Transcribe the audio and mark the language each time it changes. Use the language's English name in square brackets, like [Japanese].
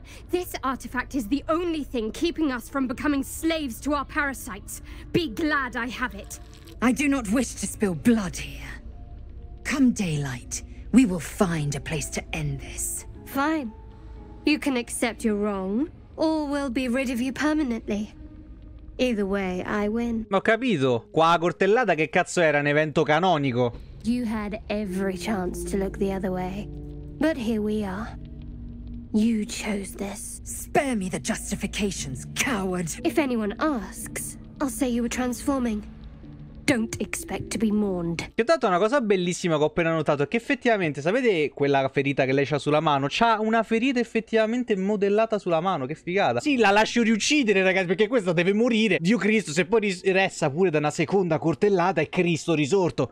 [English] This artifact is the only thing keeping us from becoming slaves to our parasites. Be glad I have it. I do not wish to spill blood here. Come daylight, we will find a place to end this. Fine. You can accept you're wrong, or we'll be rid of you permanently. Either way, I win. [Italian] Ma ho capito. Qua a Cortellata che cazzo era, un evento canonico? [English] You had every chance to look the other way. But here we are. You chose this. Spare me the justifications, coward! If anyone asks, I'll say you were transforming. Don't expect to be mourned. [Italian] Ti ho dato una cosa bellissima che ho appena notato. È che effettivamente, sapete quella ferita che lei c'ha sulla mano? C'ha una ferita effettivamente modellata sulla mano. Che figata. Sì, la lascio riuccidere, ragazzi, perché questa deve morire. Dio Cristo, se poi resta pure da una seconda cortellata, è Cristo risorto.